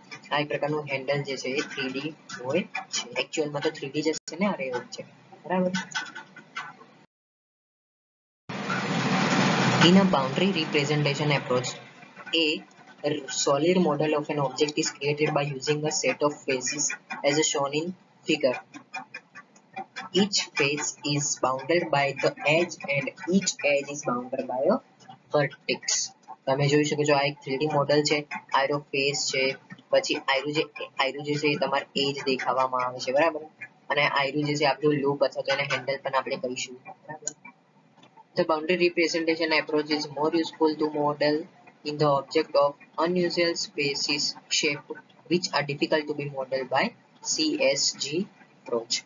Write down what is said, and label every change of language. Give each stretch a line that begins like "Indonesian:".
Gujarati: આ એક પ્રકારનું હેન્ડલ જે છે એ થ્રી ડી હોય છે. એકચ્યુઅલમાં તો થ્રી ડી જ છે ને આ રે હોય છે બરાબર.
English: In a boundary representation approach, a solid model of an object is created by using a set of faces as a shown in figure. Each face is bounded by the edge and each edge is bounded by a vertex.
Gujarati: તમે જોઈ શકો છો આ એક 3D model છે, આયરો face છે, પછી આયરો જે છે એ તમારી એજ દેખાવામાં આવે છે બરાબર, અને આયરો જે છે આપણું લૂપ અથવા તો એને હેન્ડલ પણ આપણે કહીશું બરાબર.
English: The boundary representation approach is more useful to model in the object of unusual spaces shape which are difficult to be modeled by CSG approach.